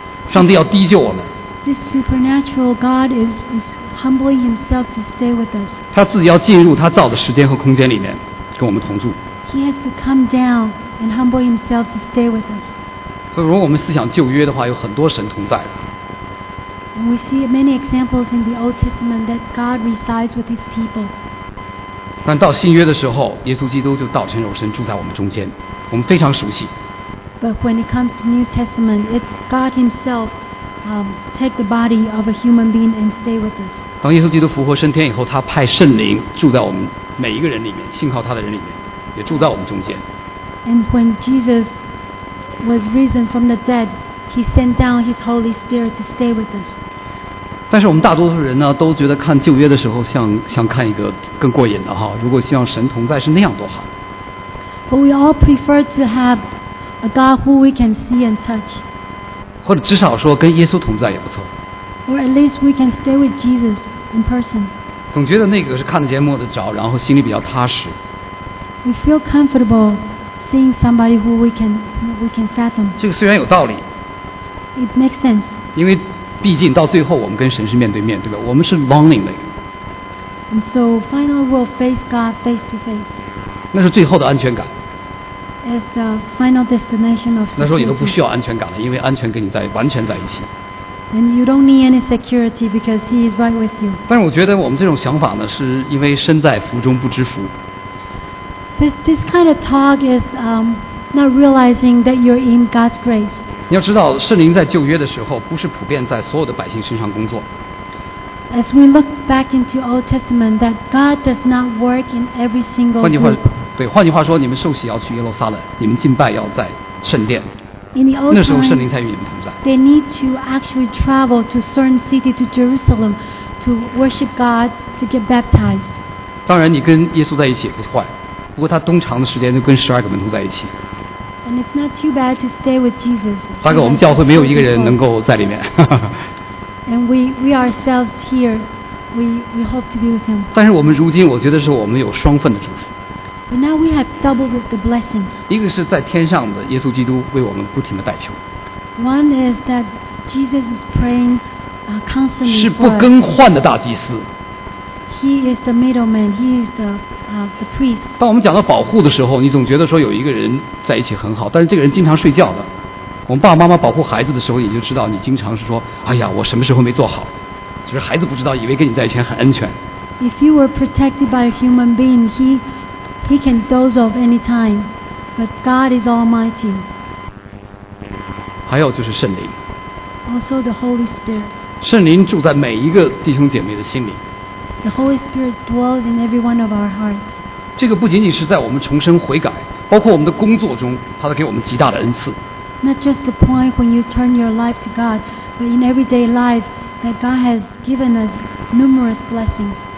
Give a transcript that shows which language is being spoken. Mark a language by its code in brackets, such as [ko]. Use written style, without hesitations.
[zh] 上帝要低救我们。 [en] This supernatural God is humbling himself to stay with us. [zh] 他自己要进入他造的时间和空间里面，跟我们同住。 [en] He has to come down and humble himself to stay with us. [zh] 所以如果我们思想旧约的话，有很多神同在。 [en] And we see many examples in the Old Testament that God resides with his people. [zh] 但到新约的时候，耶稣基督就道成肉身住在我们中间，我们非常熟悉。 [en] But when it comes to New Testament, it's God himself take the body of a human being and stay with us. [zh] 当耶稣基督复活升天以后，他派圣灵住在我们每一个人里面，信靠他的人里面。也住在我们中间。 [en] And when Jesus was risen from the dead, he sent down his Holy Spirit to stay with us. [zh] 但是我们大多数人呢，都觉得看旧约的时候像看一个更过瘾的哈。如果希望神同在是那样多好。 [en] But we all prefer to have a God who we can see and touch. [zh] 或者至少说跟耶稣同在也不错。 [en] Or at least we can stay with Jesus in person. [zh] 总觉得那个是看得见摸得着，然后心里比较踏实。 [en] We feel comfortable seeing somebody who we can fathom. [zh] 这个虽然有道理。 [en] It makes sense. [zh] 因为毕竟到最后我们跟神是面对面，对吧？我们是 longing 的。 [en] And so finally we'll face God face to face. [zh] 那是最后的安全感。 [en] As the final destination of. [zh] 那时候你都不需要安全感了，因为安全跟你在完全在一起。 [en] And you don't need any security because He is right with you. [zh] 但是我觉得我们这种想法呢，是因为身在福中不知福。 [en] This kind of talk is not realizing that you're in God's grace. [zh] 你要知道，圣灵在旧约的时候，不是普遍在所有的百姓身上工作。 [en] as we look back into Old Testament, that God does not work in every single group. [zh] 换句话说，你们受洗要去耶路撒冷，你们敬拜要在圣殿。 [en] In the old time, they need to actually travel to certain city, to Jerusalem, to worship God, to get baptized. [zh] 当然，你跟耶稣在一起也坏，不过他通常的时间就跟十二个门徒在一起。 [en] And it's not too bad to stay with Jesus. [zh] 大概我们教会没有一个人能够在里面。 [en] And we ourselves here, we hope to be with him. [zh] 但是我们如今，我觉得是我们有双份的祝福。 [en] But now we have double the blessing. [zh] 一个是在天上的耶稣基督为我们不停地代求。 [en] One is that Jesus is praying constantly. [zh] 是不更换的大祭司。 [en] He is the middleman. He is the priest. [zh] 当我们讲到保护的时候，你总觉得说有一个人在一起很好，但是这个人经常睡觉的。我们爸爸妈妈保护孩子的时候，你就知道你经常是说，哎呀，我什么时候没做好？就是孩子不知道，以为跟你在一起很安全。 [en] If you were protected by a human being, He can doze off any time, but God is Almighty. [zh] 还有就是圣灵。 [en] Also the Holy Spirit. [zh] 圣灵住在每一个弟兄姐妹的心里。 [en] The Holy Spirit dwells in every one of our hearts. [zh] 这个不仅仅是在我们重生悔改，包括我们的工作中，他都给我们极大的恩赐。 [en] Not just the point when you turn your life to God, but in everyday life that God has given us numerous blessings.